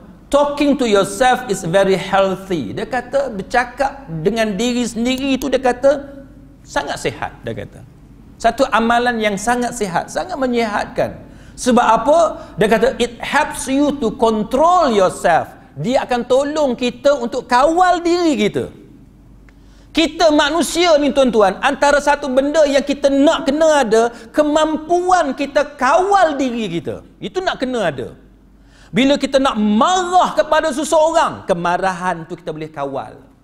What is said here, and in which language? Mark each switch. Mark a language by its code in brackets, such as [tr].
[en] Talking to yourself is very healthy. [ms] Dia kata bercakap dengan diri sendiri itu, dia kata sangat sihat, dia kata. Satu amalan yang sangat sihat, sangat menyihatkan. Sebab apa? Dia kata [en] it helps you to control yourself. [ms] Dia akan tolong kita untuk kawal diri kita. Kita manusia ni tuan-tuan, antara satu benda yang kita nak kena ada, kemampuan kita kawal diri kita. Itu nak kena ada. Bila kita nak marah kepada seseorang, kemarahan tu kita boleh kawal.